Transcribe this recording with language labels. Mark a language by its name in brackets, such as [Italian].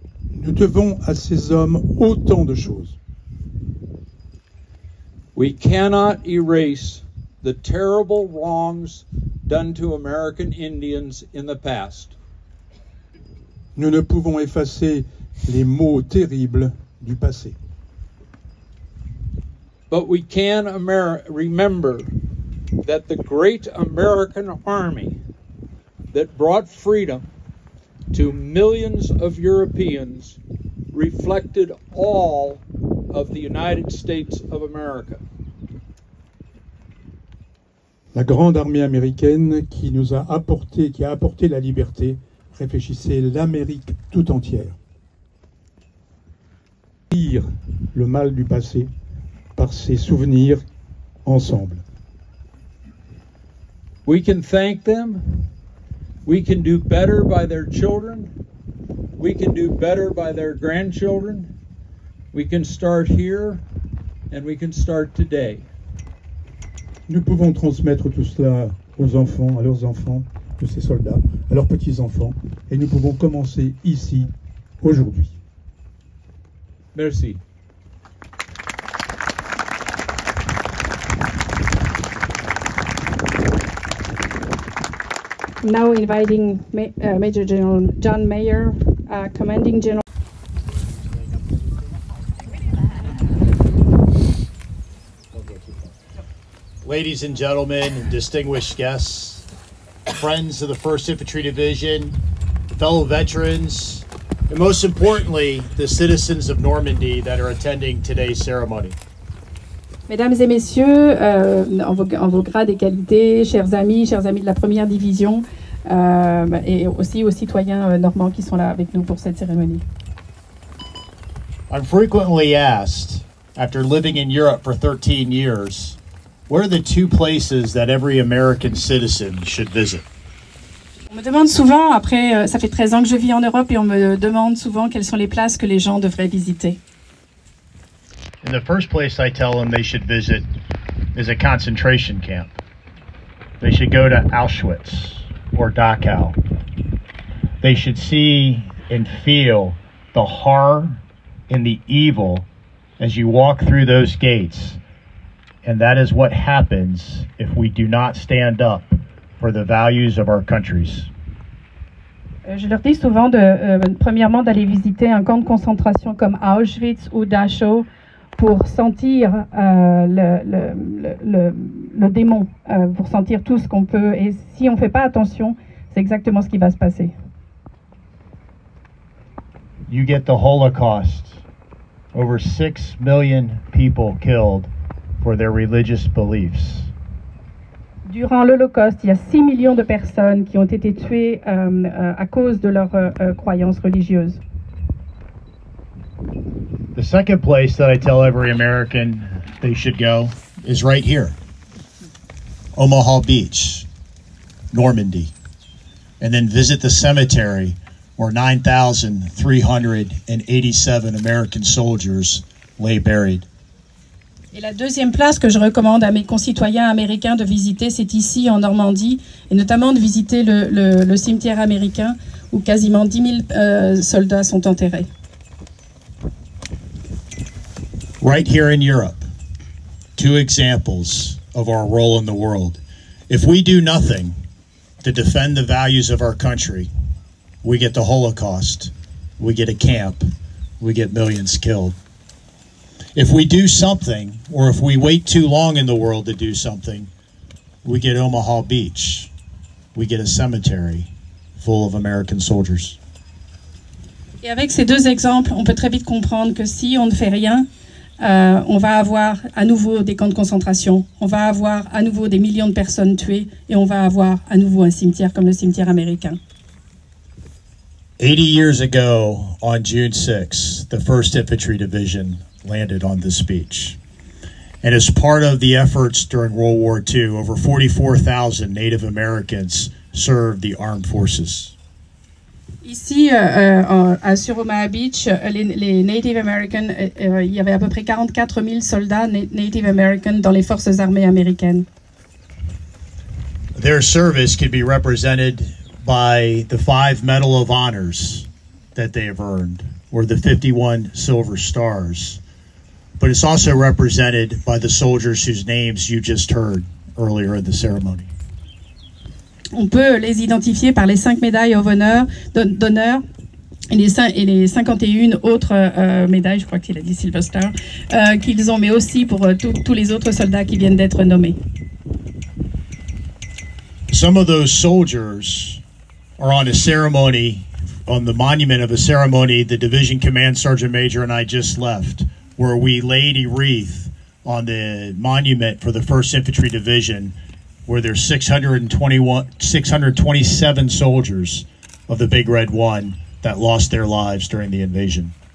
[French] Nous devons à ces hommes autant de choses. [English] We cannot erase the terrible wrongs done to American Indians in the past. [French] Nous ne pouvons effacer les maux terribles du passé. [English] But we can remember that the great American army that brought freedom to millions of Europeans reflected all of the United States of America. [French] La grande armée américaine qui nous a apporté, qui a apporté la liberté, réfléchissait l'Amérique tout entière. Pire le mal du passé par ses souvenirs ensemble. [English] We can thank them. We can do better by their children. We can do better by their grandchildren. We can start here and we can start today. [French] Nous pouvons transmettre tout cela aux enfants, à leurs enfants, de ces soldats, à leurs petits-enfants, et nous pouvons commencer ici, aujourd'hui. Merci. [English] Now inviting Major General John Mayer, Commanding General. Ladies and gentlemen, distinguished guests, friends of the 1st Infantry Division, fellow veterans, and most importantly, the citizens of Normandy that are attending today's ceremony. [French] Mesdames et messieurs, en vos grades et qualités, chers amis de la première division, et aussi aux citoyens normands qui sont là avec nous pour cette cérémonie. [English] I'm frequently asked, after living in Europe for 13 years, what are the two places that every American citizen should visit? [French] On me demande souvent, après, ça fait 13 ans que je vis en Europe, et on me demande souvent quelles sont les places que les gens devraient visiter. [English] And the first place I tell them they should visit is a concentration camp. They should go to Auschwitz or Dachau. They should see and feel the horror and the evil as you walk through those gates. And that is what happens if we do not stand up for the values of our countries. [French] Je leur dis souvent de premièrement d'aller visiter un camp de concentration comme Auschwitz ou Dachau pour sentir le démon, pour sentir tout ce qu'on peut. Et si on fait pas attention, c'est exactement ce qui va se passer. [English] You get the Holocaust, over 6 million people killed for their religious beliefs. [French] Durant l'Holocauste, il y a 6 millions de personnes qui ont été tuées à cause de leurs croyances religieuses. [English] The second place that I tell every American they should go is right here. Omaha Beach, Normandy. And then visit the cemetery where 9,387 American soldiers lay buried. [French] Et la deuxième place que je recommande à mes concitoyens américains de visiter, c'est ici en Normandie, et notamment de visiter le cimetière américain où quasiment 10 000 soldats sont enterrés. [English] Right here in Europe, two examples of our role in the world. If we do nothing to defend the values of our country, we get the Holocaust, we get a camp, we get millions killed. If we do something, or if we wait too long in the world to do something, we get Omaha Beach. We get a cemetery full of American soldiers. [French] Et avec ces deux exemples, on peut très vite comprendre que si on ne fait rien, On va avoir à nouveau des camps de concentration, on va avoir à nouveau des millions de personnes tuées et on va avoir à nouveau un cimetière comme le cimetière américain. [English] 80 years ago, on June 6, the 1st Infantry Division landed on this beach. And as part of the efforts during World War II, over 44,000 Native Americans served the armed forces. [French] Ici, sur Omaha Beach, les Native Americans, il y avait à peu près 44 000 soldats Native Americans dans les forces armées américaines. [English] Their service can be represented by the 5 Medal of Honors that they have earned, or the 51 Silver Stars. But it's also represented by the soldiers whose names you just heard earlier in the ceremony. [French] On peut les identifier par les 5 médailles [English] of honor, [French] d'honneur et les 51 autres médailles, je crois qu'il a dit Silver Star, qu'ils ont, mais aussi pour tous les autres soldats qui viennent d'être nommés. [English] Some of those soldiers are on a ceremony, on the monument of a ceremony the Division Command Sergeant Major and I just left, where we laid a wreath on the monument for the 1st Infantry Division, where there's 627 soldiers of the Big Red One that lost their lives during the invasion.